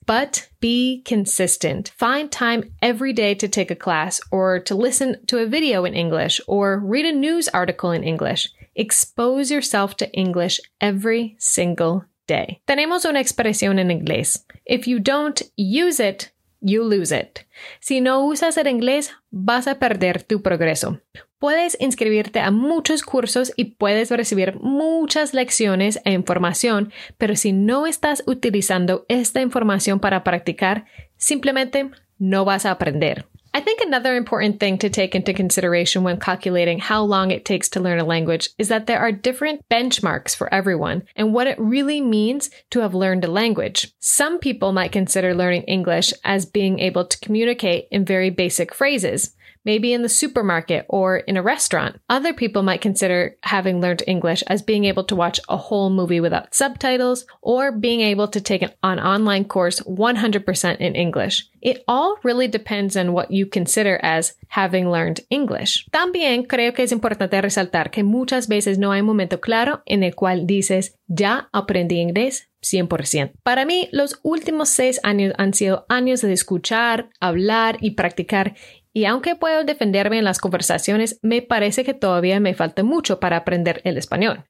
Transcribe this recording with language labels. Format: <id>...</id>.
<en>But be consistent. Find time every day to take a class or to listen to a video in English or read a news article in English. Expose yourself to English every single day.</en> <es>Tenemos una expresión en inglés.</es> <en>If you don't use it, you lose it.</en> <es>Si no usas el inglés, vas a perder tu progreso. Puedes inscribirte a muchos cursos y puedes recibir muchas lecciones e información, pero si no estás utilizando esta información para practicar, simplemente no vas a aprender.</es> <en>I think another important thing to take into consideration when calculating how long it takes to learn a language is that there are different benchmarks for everyone and what it really means to have learned a language. Some people might consider learning English as being able to communicate in very basic phrases, maybe in the supermarket or in a restaurant. Other people might consider having learned English as being able to watch a whole movie without subtitles or being able to take an online course 100% in English. It all really depends on what you consider as having learned English.</en> <es>También creo que es importante resaltar que muchas veces no hay momento claro en el cual dices, ya aprendí inglés 100%. Para mí, los últimos 6 años han sido años de escuchar, hablar y practicar. Y aunque puedo defenderme en las conversaciones, me parece que todavía me falta mucho para aprender el español.</es>